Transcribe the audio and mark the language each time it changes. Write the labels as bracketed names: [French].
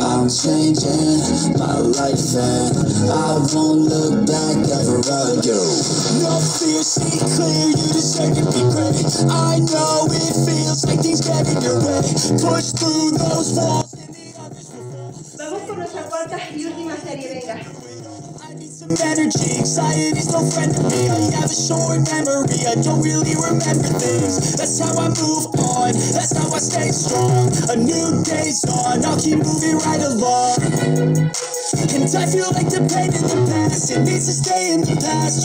[English] I'm changing my life and I won't look back ever again. No fear, stay clear, you deserve to be great. I know it feels like things get in your way. Push through those walls and the others will fall. [Spanish] Vamos con nuestra cuarta y última serie, venga. [English] Energy, anxiety's no friend to me. I have a short memory, I don't really remember things. That's how I move on, that's how I stay strong. A new day's on, I'll keep moving right along. And I feel like the pain in the past, it needs to stay in the past.